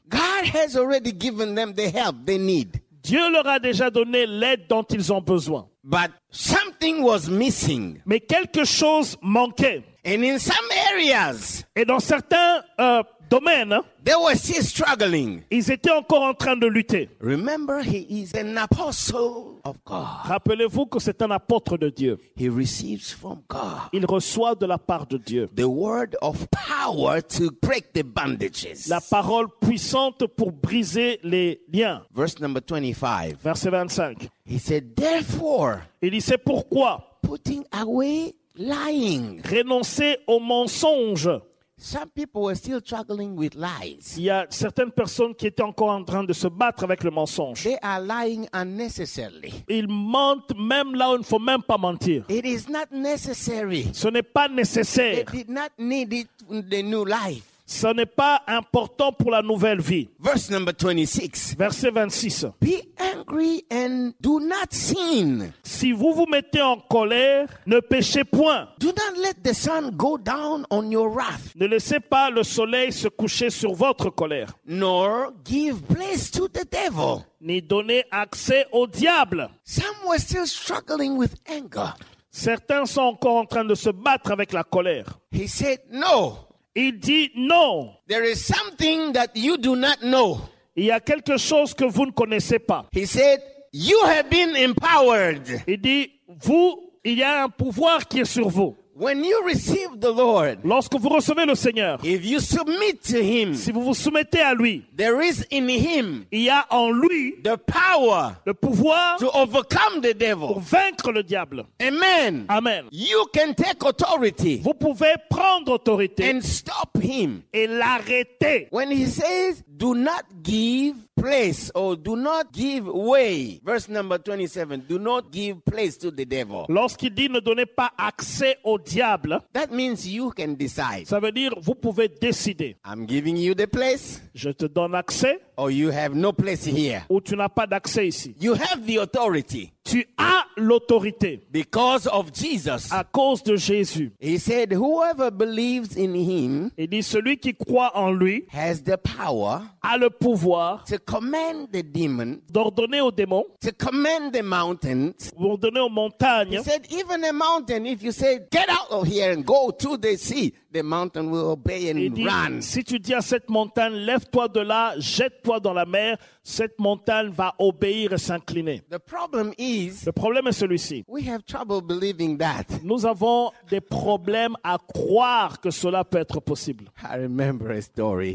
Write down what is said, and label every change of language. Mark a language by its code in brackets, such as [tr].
[en] God has already given them the help they need. [fr] Dieu leur a déjà donné l'aide dont ils ont besoin. [en] But something was missing. [fr] Mais quelque chose manquait. [en] And in some areas. [fr] Et dans certains domaines. [en] They were still struggling. [fr] Ils étaient encore en train de lutter. [en] Remember, he is an apostle of God. [fr] Rappelez-vous que c'est un apôtre de Dieu. [en] He receives from God. [fr] Il reçoit de la part de Dieu. [en] The word of power to break the bandages. [fr] La parole puissante pour briser les liens. [en] Verse number 25. [fr] Verset 25. [en] He said, therefore. [fr] Il dit, c'est pourquoi. [en] Putting away lying. [fr] Renoncer au mensonge. [en] Some people were still struggling with lies. [fr] Il y a certaines personnes qui étaient encore en train de se battre avec le mensonge. [en] They are lying unnecessarily. [fr] Ils mentent même là où il ne faut même pas mentir. [en] It is not necessary. [fr] Ce n'est pas nécessaire. [en] They did not need it in the new life. [fr] Ce n'est pas important pour la nouvelle vie. [en] Verse number 26. [fr] Verset 26. [en] Be angry and do not sin. [fr] Si vous vous mettez en colère, ne péchez point. [en] Do not let the sun go down on your wrath. [fr] Ne laissez pas le soleil se coucher sur votre colère. [en] Nor give place to the devil. [fr] Ni donner accès au diable. [en] Some were still struggling with anger. [fr] Certains sont encore en train de se battre avec la colère. [en] He said no. [fr] Il dit non. [en] There is something that you do not know. [fr] Il y a quelque chose que vous ne connaissez pas. [en] He said, you have been empowered. [fr] Il dit, vous, il y a un pouvoir qui est sur vous. [en] When you receive the Lord, [fr] lorsque vous recevez le Seigneur, [en] if you submit to him, [fr] si vous vous soumettez à lui, [en] there is in him, [fr] il y a en lui, [en] the power, [fr] le pouvoir, [en] to overcome the devil, [fr] pour vaincre le diable. Amen. Amen. [en] You can take authority, [fr] vous pouvez prendre autorité, [en] and stop him, [fr] et l'arrêter. [en] When he says, do not give place or do not give way. Verse number 27, do not give place to the devil. [fr] Lorsqu'il dit ne donnez pas accès au diable, [en] that means you can decide. [fr] Ça veut dire vous pouvez décider. [en] I'm giving you the place. [fr] Je te donne accès. [en] Or you have no place here. [fr] Ou tu n'as pas d'accès ici. [en] You have the authority. [fr] Tu as l'autorité. [en] Because of Jesus. [fr] À cause de Jésus. [en] He said, whoever believes in him, [fr] il dit celui qui croit en lui, [en] has the power, [fr] a le pouvoir, [en] to command the demon, [fr] d'ordonner aux démons, [en] to command the mountains, [fr] d'ordonner aux montagnes. [en] He said, even a mountain, if you say, get out of here and go to the sea, the mountain will obey and [fr] dit, [en] run. [fr] Si tu dis à cette montagne, lève-toi de là, jette-toi dans la mer, cette montagne va obéir et s'incliner. [en] The problem is, [fr] le problème est celui-ci. [en] We have trouble believing that. [fr] Nous avons des problèmes à croire que cela peut être possible. [en] I remember a story.